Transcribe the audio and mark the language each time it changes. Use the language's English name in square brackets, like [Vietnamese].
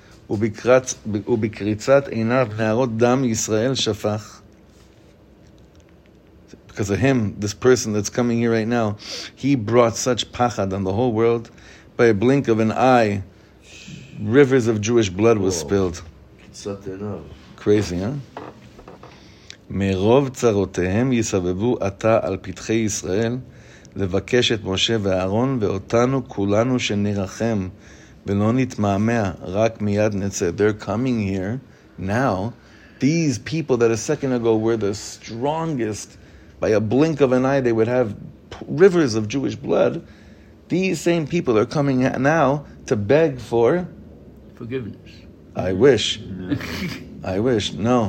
[Hebrew] ובקריצת עיניו נערות דם ישראל שפך. [English] Because of him, this person that's coming here right now, he brought such pachad on the whole world. By a blink of an eye, rivers of Jewish blood was spilled. Crazy, huh? [Hebrew] מרוב צרותיהם יסבבו עתה על פתחי ישראל לבקש את משה ואהרון ואותנו כולנו שנרחם. [English] They're coming here now. These people that a second ago were the strongest, by a blink of an eye, they would have rivers of Jewish blood. These same people are coming now to beg for forgiveness. I wish. I wish. No.